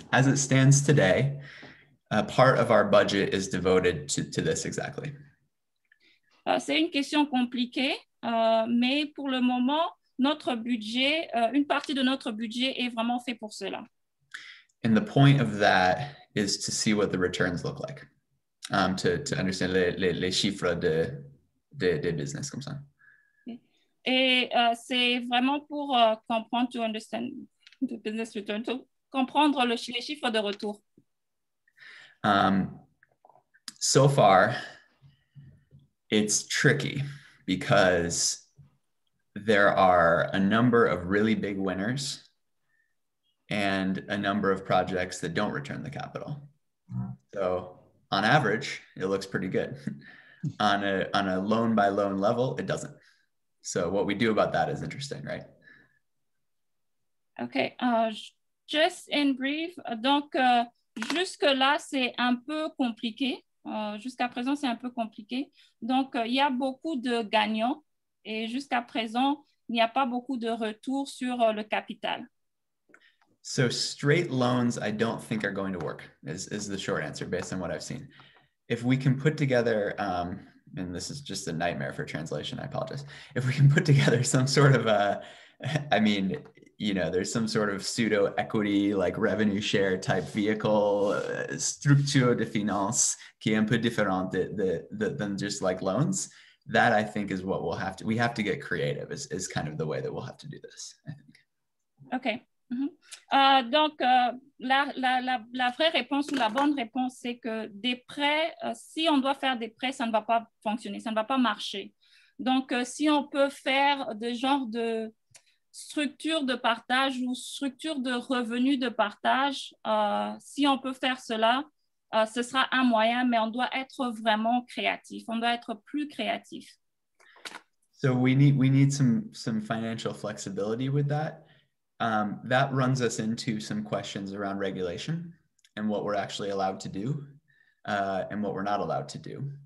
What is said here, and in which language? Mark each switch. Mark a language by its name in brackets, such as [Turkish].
[English] As it stands today, a part of our budget is devoted to this exactly. [French] C'est une question compliquée, mais pour le moment, notre budget, une partie de notre budget est vraiment fait pour cela. [English] And the point of that is to see what the returns look like, to understand [French] les chiffres de business comme ça. Et c'est vraiment pour comprendre, [English] to understand the business return, to [French] comprendre les chiffres de retour. [English] So far, it's tricky because there are a number of really big winners and a number of projects that don't return the capital. So on average, it looks pretty good. on a loan by loan level, it doesn't. So what we do about that is interesting, right? Okay. Just in brief, [French] jusque-là, c'est un peu compliqué. Jusqu'à présent, c'est un peu compliqué. Donc, il y a beaucoup de gagnants et jusqu'à présent, il n'y a pas beaucoup de retours sur le capital. [English] So, straight loans, I don't think are going to work, is the short answer based on what I've seen. If we can put together and this is just a nightmare for translation, I apologize. If we can put together some sort of there's some sort of pseudo equity, like revenue share type vehicle, [French] structure de finance qui est un peu différent [English] than just like loans. That I think is what we have to get creative is kind of the way that we'll have to do this, I think. Okay. Mm-hmm. [French] Donc, la vraie réponse ou la bonne réponse, c'est que des prêts, si on doit faire des prêts, ça ne va pas fonctionner, ça ne va pas marcher. Donc, si on peut faire des genres de structure de partage ou structure de revenus de partage, si on peut faire cela, ce sera un moyen, mais on doit être vraiment créatif, on doit être plus créatif. [English] So we need some financial flexibility with that. That runs us into some questions around regulation and what we're actually allowed to do and what we're not allowed to do.